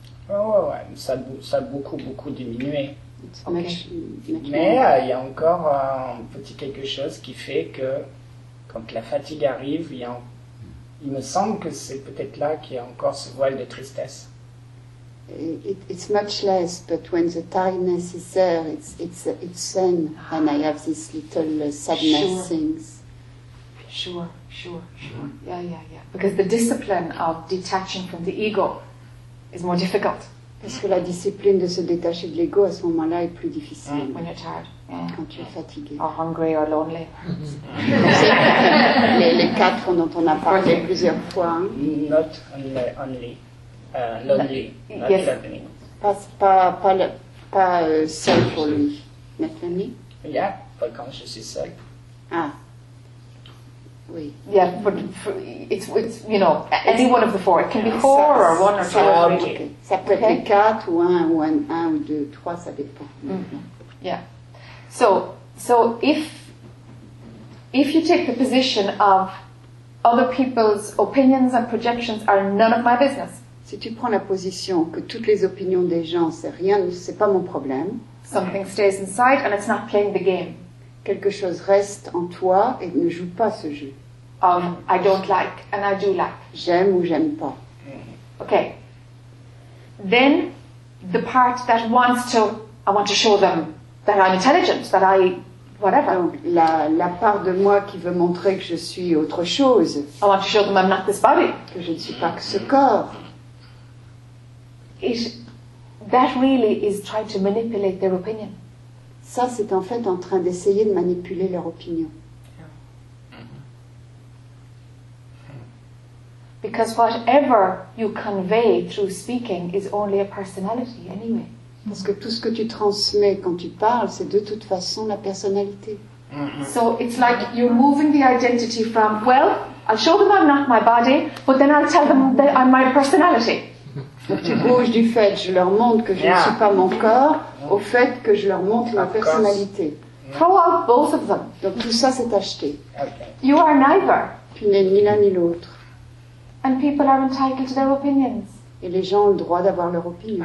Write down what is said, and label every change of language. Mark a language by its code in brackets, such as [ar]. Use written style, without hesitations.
[fr] Oh, ouais, ça a beaucoup, beaucoup diminué. [en] Okay. [fr] Mais il y a encore un petit quelque chose qui fait que, quand la fatigue arrive, il me semble que c'est peut-être là qu'il y a encore ce voile de tristesse. [en] It's much less, but when the tiredness is there, it's then, and I have this little sadness things. Sure. Yeah. Because the discipline of detaching from the ego is more difficult. [fr] Parce que la discipline de se détacher de l'ego à ce moment-là est plus difficile. [en] When you're tired. [fr] Quand tu es fatigué. [en] Or hungry or lonely. [fr] les quatre dont on a parlé plusieurs fois. Hein. [en] Not only. Lonely. Not yes. [fr] Pas seul pour lui. [en] Not lonely. Yeah, but [fr] quand je suis seul. Ah. Oui. [en] Yeah, but it's you know, any one of the four. It can be four or one or two. [fr] Ça peut être quatre ou un ou deux, trois, ça dépend. [en] Yeah. So if you take the position of other people's opinions and projections are none of my business. [fr] Si tu prends la position que toutes les opinions des gens c'est rien, c'est pas mon problème. [en] Something stays inside and it's not playing the game. [fr] Quelque chose reste en toi et ne joue pas ce jeu. [en] I don't like and I do like. [fr] J'aime ou j'aime pas. [en] Okay. Then the part that wants to, I want to show them that I'm intelligent, that I, whatever. [fr] Donc, la part de moi qui veut montrer que je suis autre chose. [en] I want to show them I'm not this body. [fr] Que je ne suis pas que ce corps. [en] That really is trying to manipulate their opinion. [fr] Ça, c'est en fait en train d'essayer de manipuler leur opinion. [en] Because whatever you convey through speaking is only a personality anyway. [fr] Parce que tout ce que tu transmets quand tu parles, c'est de toute façon la personnalité. [en] So it's like you're moving the identity from, well, I'll show them I'm not my body, but then I'll tell them that I'm my personality. [fr] Donc tu bouges du fait que je leur montre que je ne suis pas mon corps au fait que je leur montre ma personnalité. [en] Throw out both of them. [fr] Donc tout ça c'est acheté. [en] Okay. You are neither. [fr] Tu n'es ni l'un ni l'autre. [en] And people are entitled to their opinions. [fr] Et les gens ont le droit d'avoir leur opinion.